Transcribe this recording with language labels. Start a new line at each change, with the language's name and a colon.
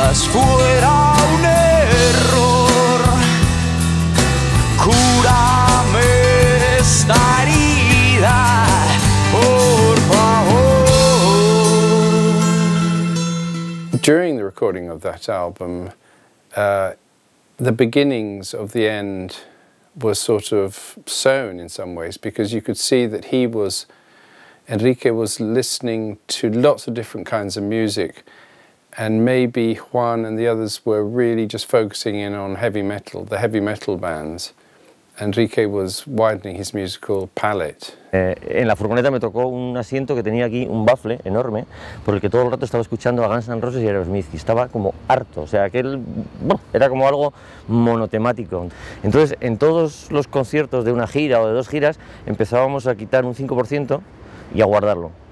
Spanish: Fuera un error, cúrame esta herida, por favor.
English: During the recording of that album, the beginnings of the end were sort of sown in some ways, because you could see that Enrique was listening to lots of different kinds of music. And maybe Juan and the others were really just focusing in on heavy metal, the heavy metal bands. Enrique was widening his musical palette.
Spanish: En la furgoneta me tocó un asiento que tenía aquí un bafle enorme por el que todo el rato estaba escuchando a Guns N' Roses y Aerosmith y estaba como harto, o sea, aquel era como algo monotemático. Entonces, en todos los conciertos de una gira o de dos giras empezábamos a quitar un 5% y a guardarlo.